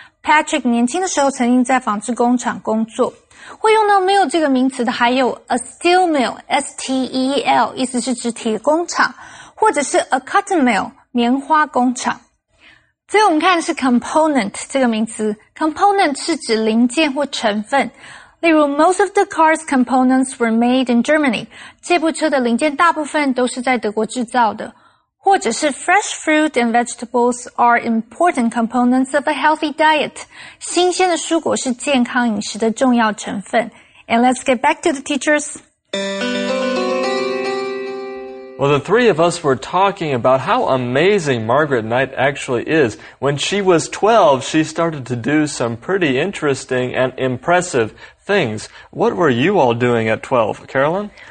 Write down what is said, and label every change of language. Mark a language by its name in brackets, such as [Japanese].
[Chinese] Patrick 年轻的时候曾经在纺织工厂工作。会用到 mill 这个名词的还有 [English] a steel mill, [Chinese] S-T-E-E-L, 意思是指铁工厂，或者是 [English] a cotton mill, [Chinese] 棉花工厂。所以我们看的是 component 这个名词。component 是指零件或成分。例如 [English] ,most of the car's components were made in Germany. [Chinese] 这部车的零件大部分都是在德国制造的。或者是 [English] fresh fruit and vegetables are important components of a healthy diet. [Chinese] 新鲜的蔬果是健康饮食的重要成分。 [English] And let's get back to the teachers. Well, the three of us were talking about how amazing Margaret Knight actually is. When she was 12, she started to do some pretty interesting and impressive things. What were you all doing at 12, Carolyn?